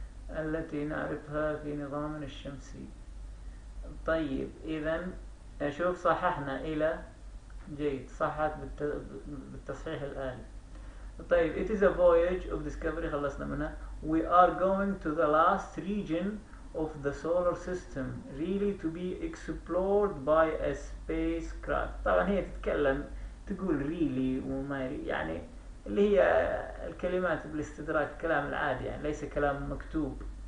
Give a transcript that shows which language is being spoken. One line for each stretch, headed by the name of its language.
Arabic: التي نعرفها في نظامنا الشمسي. طيب إذا أشوف صححنا إلى جيد، صحت بالتصحيح الآلي. طيب
English: it is a voyage of discovery،
Arabic: خلصنا منها.
English: We are going to the last region of the solar system really to be explored by a spacecraft.
Arabic: طبعا هي تتكلم تقول really وما يعني، اللي هي الكلمات بالاستدراك، الكلام العادي يعني، ليس كلام مكتوب.